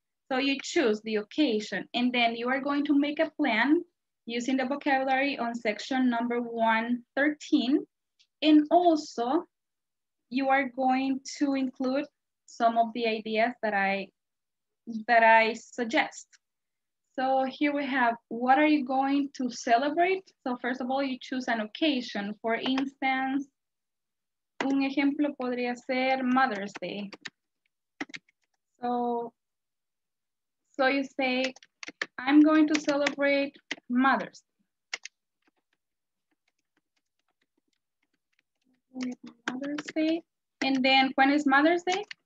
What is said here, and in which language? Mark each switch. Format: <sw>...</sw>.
<en>So you choose the occasion and then you are going to make a plan using the vocabulary on section number 113. And also you are going to include some of the ideas that I suggest. So here we have, what are you going to celebrate? So first of all, you choose an occasion. For instance,</en> <es>un ejemplo podría ser Mother's Day.</es> <en>So you say, I'm going to celebrate Mother's Day. Mother's Day. And then when is Mother's Day?</en>